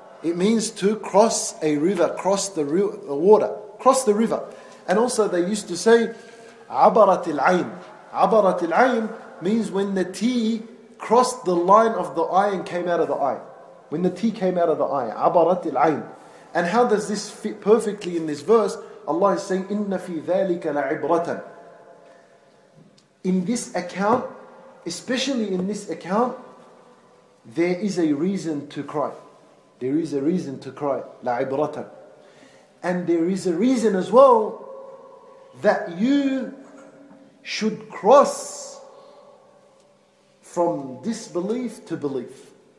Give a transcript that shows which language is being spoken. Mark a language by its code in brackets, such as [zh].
[en] It means to cross a river, cross the water, cross the river. And also they used to say, [ar] عبرت العين. [en] عبرت العين means when the T crossed the line of the eye and came out of the eye. When the T came out of the eye, [ar] عبرت العين. [en] And how does this fit perfectly in this verse? Allah is saying, [ar] إِنَّ فِي ذَلِكَ لَعِبْرَةً. [en] In this account, especially in this account, there is a reason to cry. There is a reason to cry. لَعِبْرَةً. And there is a reason as well that you should cross from disbelief to belief.